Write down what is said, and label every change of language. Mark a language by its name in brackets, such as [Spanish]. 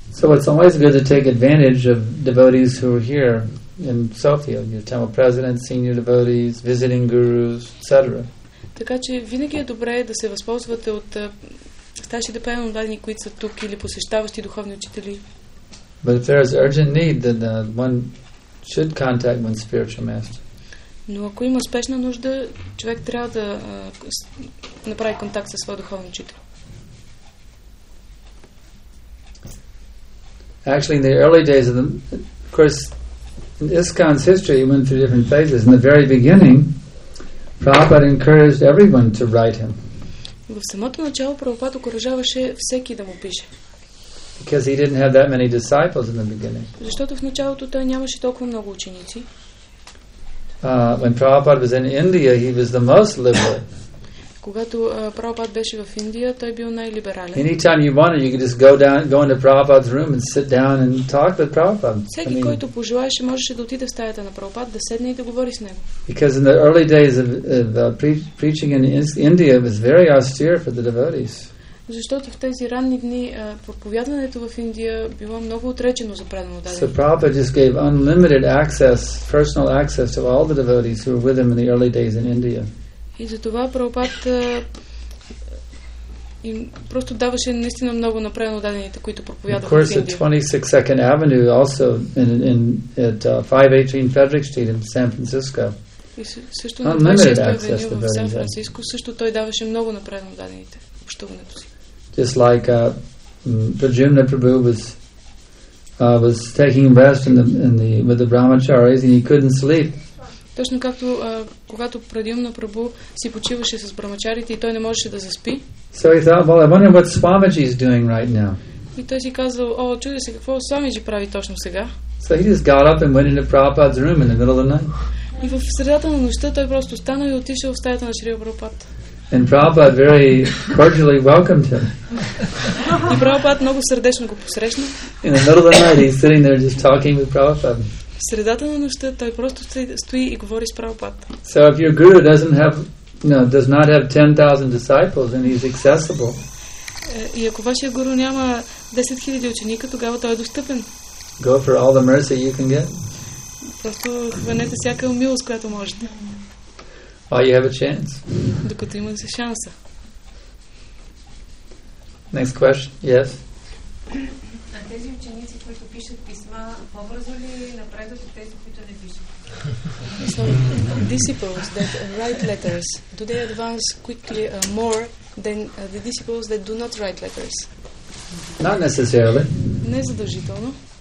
[English] So it's always good to take advantage of devotees who are here in Sofia, your temple president, senior devotees, visiting gurus, etc. [Bulgarian] Така че винаги е добре да се възползвате от старши депенденти, дадени, които са тук, или посещаващи духовни учители. [English] But if there is urgent need, then one should contact one spiritual master. [Bulgarian] Но ако има спешна нужда, човек трябва да направи контакт със своя духовен учител. [English] Actually, in the early days of the, of course, in ISKCON's history, it went through different phases. In the very beginning, Prabhupada encouraged everyone to write him. [Bulgarian] В самото начало Прабхупад окуражаваше всеки да му пише. [English] Because he didn't have that many disciples in the beginning. [Bulgarian] Защото в началото той нямаше толкова много ученици. [English] When Prabhupada was in India, he was the most liberal. [Bulgarian] Когато Прабхупад беше в Индия, той бил най-либерален. [English] Anytime you wanted, you could just go into Prabhupada's room and sit down and talk with Prabhupada. [Bulgarian] Всеки, който пожелаеше, можеше да отиде в стаята на Прабхупад, да седне и да говори с него. [English] Because in the early days of preaching in India, it was very austere for the devotees. [Bulgarian] Защото в тези ранни дни проповядването в Индия било много отречено за преданодателите. [English] So Prabhupada just gave unlimited access, personal access to all the devotees who were with him in the early days in India. [Bulgarian] И затова Прабхупад им просто даваше наистина много на преданодателите, които проповядваха в Индия. [English] Of course, at 26 Second Avenue, also at 518 Frederick Street in San Francisco. Unlimited access to devotees. [Bulgarian] В Сан-Франциско също той даваше много на преданодателите. [English] Just like Prajumna Prabhu was taking rest with the brahmacharis and he couldn't sleep. [Bulgarian] Точно както когато Прадюмна Прабу си почиваше с брамачарите и той не можеше да заспи. [English] So he thought, well, I wonder what Swamiji is doing right now. [Bulgarian] И той си казал, о, чудя се какво Свамиджи прави точно сега. [English] So he just got up and went into Prabhupada's room in the middle of the night. [Bulgarian] И в средата на нощта той просто стана и отишъл в стаята на Шри Прабхупад. [English] And Prabhupada very cordially welcomed him. [Bulgarian] И Прабхупад много сърдечно го посрещна. [English] In the middle of the night, he's sitting there just talking with Prabhupada. [Bulgarian] В средата на нощта той просто стои и говори с Прабхупад. [English] So if your guru doesn't have, you know, does not have 10,000 disciples, then he's accessible. [Bulgarian] И ако вашия гуру няма 10,000 ученика, тогава той е достъпен. [English] Go for all the mercy you can get. [Bulgarian] Просто хванете всяка милост, която можете. [English] While you have a chance. [Bulgarian] Докато имаш шанса. [English] Next question. Yes. [Bulgarian] А тези ученици, които пишат писма, по-бързо ли напредват от тези, които не пишат? [English] So, disciples that write letters, do they advance quickly more than the disciples that do not write letters? Not necessarily. [Bulgarian] Не задължително.